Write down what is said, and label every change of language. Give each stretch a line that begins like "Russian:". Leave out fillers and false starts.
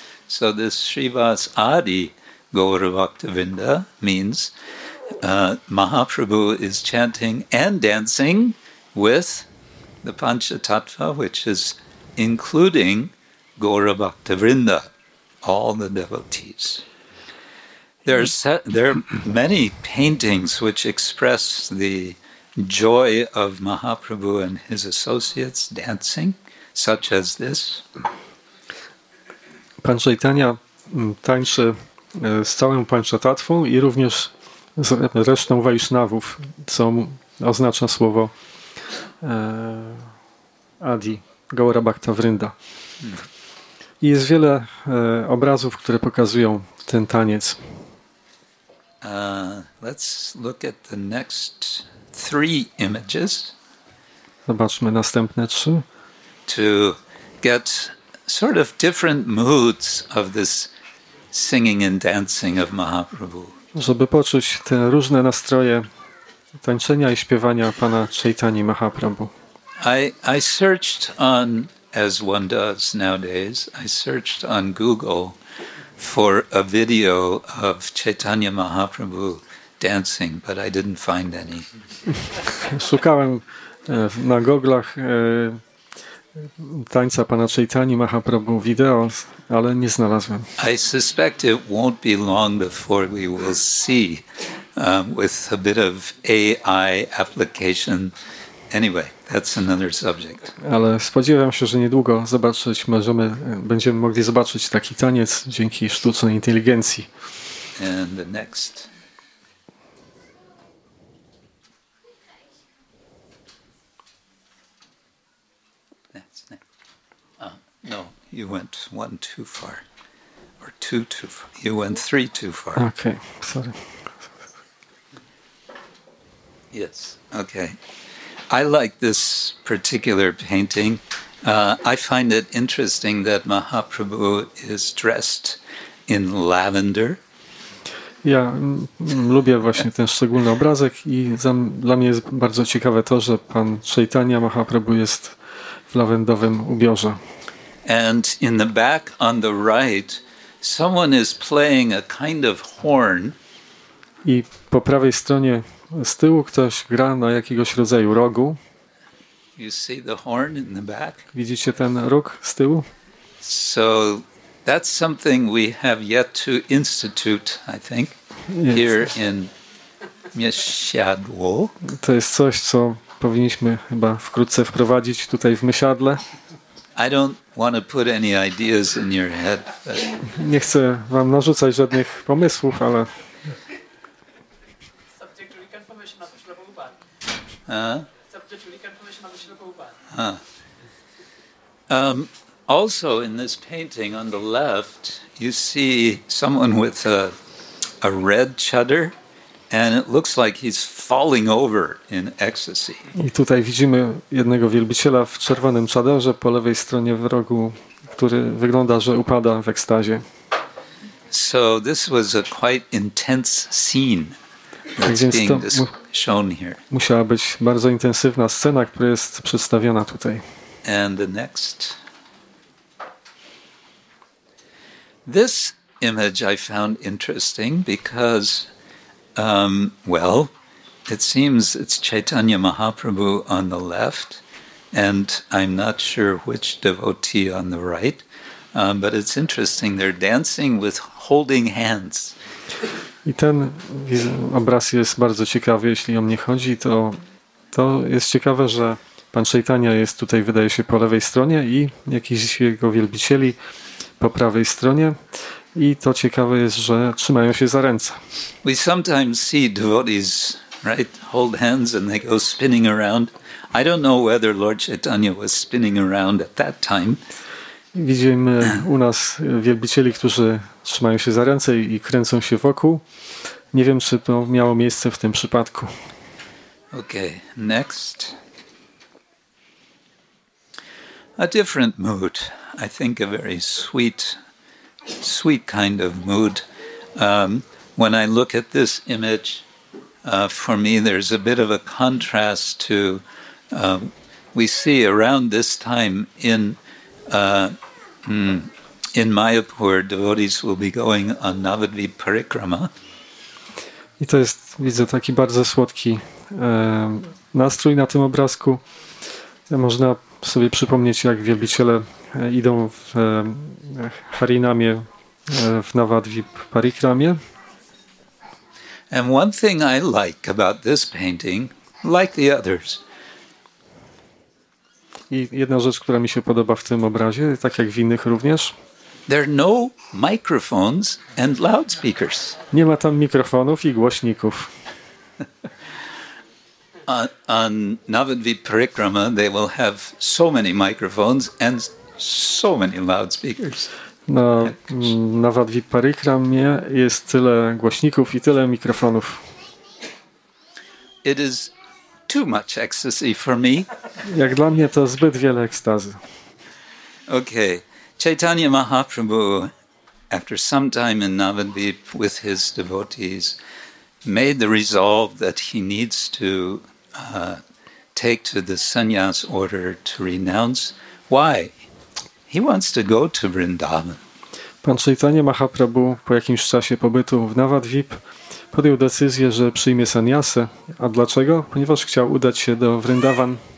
English: So this Srivas Adi Gaura Bhaktavrinda means Mahaprabhu is chanting and dancing with the Panchatattva, which is including Gaura Bhaktavrinda, all the devotees. There are many paintings which express the joy of Mahaprabhu and his associates dancing, such as this.
Polish: Pan Chaitanya tańczy z całą Panchatattwą i również z resztą Vaishnavów, co oznacza słowo Adi, Gaura Bhaktavrinda. I jest wiele obrazów, które pokazują ten taniec.
English: Let's look at the next three images.
Polish: Zobaczmy następne trzy.
English: To get sort of different moods of this singing and dancing of Mahaprabhu.
Polish: Żeby poczuć te różne nastroje tańczenia i śpiewania pana Chaitany Mahaprabhu.
English: I searched on, as one does nowadays, I searched on Google for a video of Chaitanya Mahaprabhu dancing, but I didn't find any.
Polish: Szukałem na Google'ach tańca pana Chaitany Mahaprabhu wideo, ale nie znalazłem.
English: I suspect it won't be long before we will see with a bit of AI application. Anyway, that's another subject.
Polish: Ale spodziewam się, że niedługo będziemy mogli zobaczyć taki taniec dzięki sztucznej inteligencji.
English: And the next. No, you went one too far. Or two too far. You went three too far. Okay, sorry. Yes, okay. I like this particular painting. I find it interesting that Mahaprabhu is dressed in lavender.
Polish: Ja lubię właśnie ten szczególny obrazek i dla mnie jest bardzo ciekawe to, że pan Chaitanya Mahaprabhu jest w lawendowym ubiorze.
English: And in the back on the right, someone is playing a kind of horn.
Polish: I po prawej stronie z tyłu ktoś gra na jakiegoś rodzaju rogu.
English: You see the horn in the back?
Polish: Widzicie ten róg z tyłu?
English: So that's something we have yet to institute, I think, yes. Here in Myśadło.
Polish: To jest coś, co powinniśmy chyba wkrótce wprowadzić tutaj w Myśadle.
English: I don't want to put any ideas in your head.
Polish: Nie chcę wam narzucać żadnych pomysłów, ale...
English: Also in this painting on the left you see someone with a red chador and it looks like he's falling over in ecstasy.
Polish: I tutaj widzimy jednego wielbiciela w czerwonym czadorze po lewej stronie w rogu, który wygląda, że upada w ekstazie.
English: So this was a quite intense scene.
Polish: Tak więc to
English: shown here.
Polish: Musiała być bardzo intensywna scena, która jest przedstawiona tutaj.
English: And the next. This image I found interesting because, well, it seems it's Chaitanya Mahaprabhu on the left, and I'm not sure which devotee on the right, but it's interesting, they're dancing with holding hands.
Polish: I ten obraz jest bardzo ciekawy, jeśli o mnie chodzi, to jest ciekawe, że pan Chaitanya jest tutaj, wydaje się, po lewej stronie i jakiś jego wielbicieli po prawej stronie. I to ciekawe jest, że trzymają się za ręce.
English: We sometimes see devotees, right, hold hands and they go spinning around. I don't know whether Lord Chaitanya was spinning around at that time.
Polish: Widzimy u nas wielbicieli, którzy trzymają się za ręce i kręcą się wokół. Nie wiem, czy to miało miejsce w tym przypadku.
English: Okay, next. a different mood. I think a very sweet, sweet kind of mood. When I look at this image, for me, there's a bit of a contrast to we see around this time in Mayapur, devotees will be going on Navadvip Parikrama.
Polish: I to jest, widzę, taki bardzo słodki nastrój na tym obrazku. Można sobie przypomnieć, jak wielbiciele idą w Harinamie, w Navadvip Parikramie.
English: And one thing I like about this painting, like the others.
Polish: I jedna rzecz, która mi się podoba w tym obrazie, tak jak w innych również.
English: There are no microphones and loudspeakers.
Polish: Nie ma tam mikrofonów i głośników.
English: On Navadvip Parikrama they will have so many microphones and so many loudspeakers.
Polish: Na Navadvip Parikramie jest tyle głośników i tyle mikrofonów.
English: It is too much ecstasy for me.
Polish: Jak dla mnie to zbyt wiele ekstazy.
English: Okay. Chaitanya Mahaprabhu, after some time in Navadvip with his devotees, made the resolve that he needs to take to the sannyas order to renounce. Why? He wants to go to Vrindavan.
Polish: Pan Chaitanya Mahaprabhu po jakimś czasie pobytu w Navadvip podjął decyzję, że przyjmie sannyasę. A dlaczego? Ponieważ chciał udać się do Vrindavan.